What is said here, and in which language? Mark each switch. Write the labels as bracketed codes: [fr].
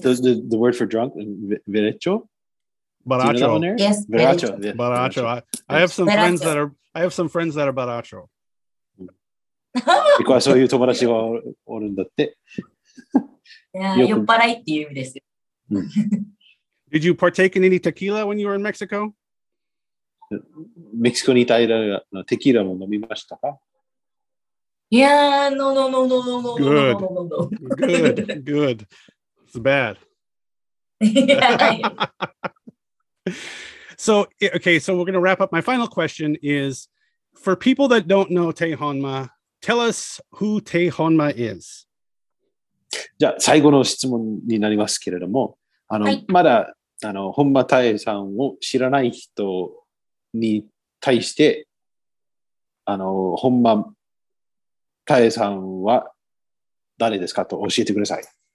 [en] Does the word for drunk ベレッチョ？ [es] バラチョ。 [en] Yes. [es] ベラチョ。 [en] バラチョ。I have some friends that are バラチョ。 [ja] 結構そういう友達がおるんだって。酔っ払いっていう意味ですよ。 [en] Did you partake in any tequila when you were in Mexico? [ja] メキシコにいた間のテキーラも飲みましたか？ [en] Yeah, no. Good. No. Good. It's bad. So we're going to wrap up. My final question is, for people that don't know Tae Honma, tell us who Tae Honma is. [ja] じゃあ最後の質問になりますけれども、あの、はい、まだあの本間太平さんを知らない人に対して、あの、本間タエさんは誰ですかと教えてください。